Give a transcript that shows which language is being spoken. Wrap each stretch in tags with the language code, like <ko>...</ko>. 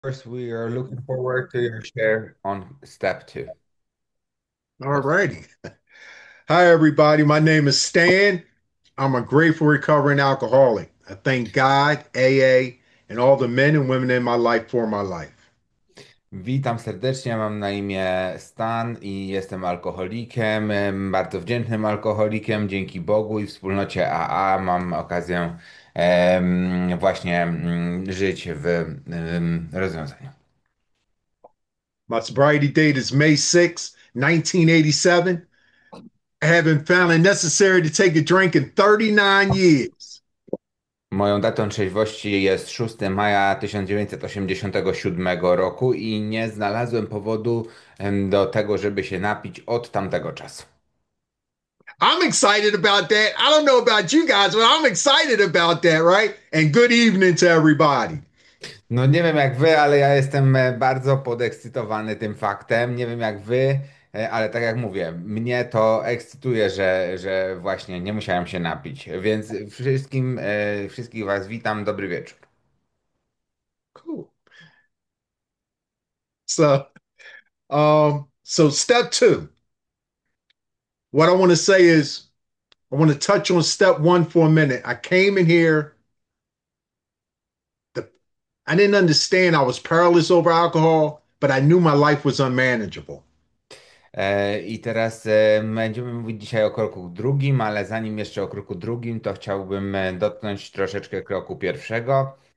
<en>course, we are looking forward to your All share on step two. Yes. righty. Hi, everybody. My name is Stan. I'm a grateful recovering alcoholic. I thank God, AA, and all the men and women in my life for my life.</en> <pl>Witam serdecznie, mam na imię Stan i jestem alkoholikiem, bardzo wdzięcznym alkoholikiem, dzięki Bogu i wspólnocie AA mam okazję właśnie żyć w rozwiązaniu.</pl> <en>My sobriety date is May 6, 1987. I haven't found it necessary to take a drink in 39 years.</en> <pl>Moją datą trzeźwości jest 6 maja 1987 roku i nie znalazłem powodu do tego, żeby się napić od tamtego czasu.</pl> <en>I'm excited about that. I don't know about you guys, but I'm excited about that, right? And good evening to everybody.</en> <pl>No nie wiem jak wy, ale ja jestem bardzo podekscytowany tym faktem. Nie wiem jak wy, ale tak jak mówię, mnie to ekscytuje, że właśnie nie musiałem się napić. Więc wszystkich was witam. Dobry wieczór.</pl> <en>Cool. So step two. What I want to say is, I want to touch on step one for a minute. I came in here. I didn't understand I was powerless over alcohol, but I knew my life was unmanageable.</en> <pl>I teraz będziemy mówić dzisiaj o kroku drugim, ale zanim jeszcze o kroku drugim, to chciałbym dotknąć troszeczkę kroku pierwszego.</pl>